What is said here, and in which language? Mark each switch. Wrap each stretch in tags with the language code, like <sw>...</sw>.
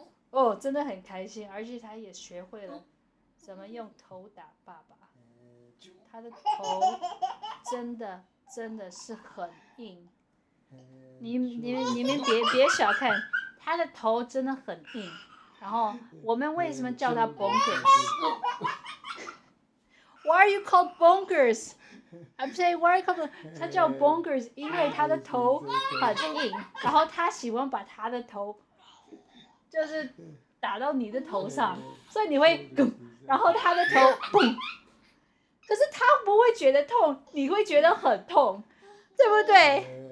<zh>哦，真的很开心，而且他也学会了怎么用头打爸爸，他的头真的是很硬，你们别小看他的头，真的很硬。然后我们为什么叫他 bonkers？</zh> <en>Why are you called bonkers？ I'm saying why are you called？</en> <zh>他叫 bonkers， 因为他的头很硬，然后他喜欢把他的头就是打到你的头上，所以你会，然后他的头砰。可是他不会觉得痛，你会觉得很痛，对不对？</zh>